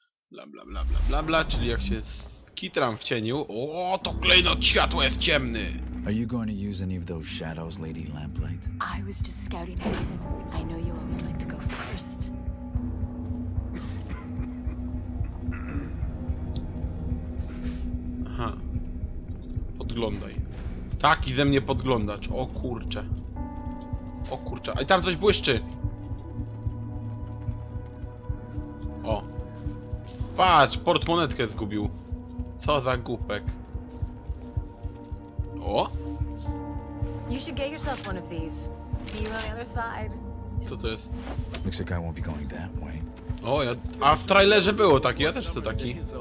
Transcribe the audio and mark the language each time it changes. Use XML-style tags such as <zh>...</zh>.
<pl>Bla, bla, bla, bla, bla, bla, czyli jak się skitram w cieniu. O, to klejnot światła jest ciemny!</pl> <en>Are you going to use any of those shadows, Lady Lamplight? I was just scouting out. I know you always like to go first.</en> <pl>Aha. Podglądaj. Tak, i ze mnie podglądacz. O kurcze. O kurcze. A tam coś błyszczy. O. Patrz, portmonetkę zgubił. Co za głupek. O.</pl> <en>You should get yourself one of these. See you on the other side.</en> <pl>Co to jest?</pl> <en>Looks like I won't be going that way.</en> <pl>O, ja, a w trailerze było taki, ja też to taki.</pl>